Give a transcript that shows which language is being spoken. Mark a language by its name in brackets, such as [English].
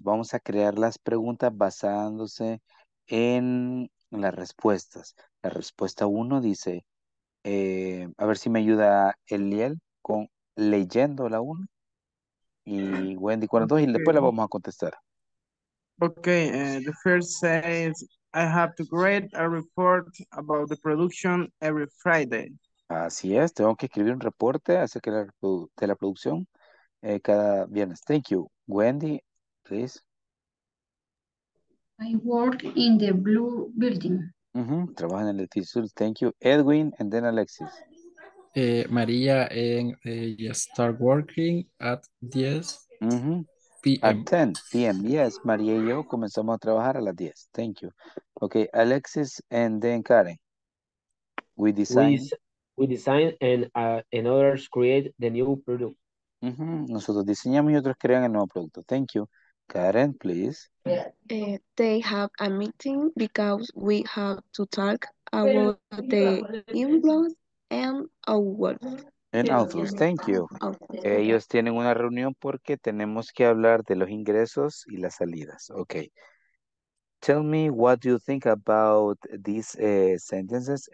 [Spanish] Vamos a crear las preguntas basándose en las respuestas. La respuesta 1 dice, a ver si me ayuda Eliel con leyendo la 1. Y Wendy con la 2 y después la vamos a contestar. [English] Okay, the first says, I have to create a report about the production every Friday. [Spanish] Así es, tengo que escribir un reporte acerca de la producción cada viernes. [English] Thank you. Wendy, please. I work in the blue building. Uh-huh. [Spanish] Trabajo en el edificio. [English] Thank you. Edwin and then Alexis. María, start working at 10 uh-huh. p.m. At 10 p.m. [Spanish] Yes, María y yo comenzamos a trabajar a las 10. [English] Thank you. Okay, Alexis and then Karen. We designed. We design and others create the new product. Mm-hmm. [Spanish] Nosotros diseñamos y otros crean el nuevo producto. [English] Thank you. Karen, please. They have a meeting because we have to talk about the inflows and outflows. And outflows, thank you. [Spanish] Ellos tienen una reunión porque tenemos que hablar de los ingresos y las salidas. [English] Okay. Tell me what you think about these sentences.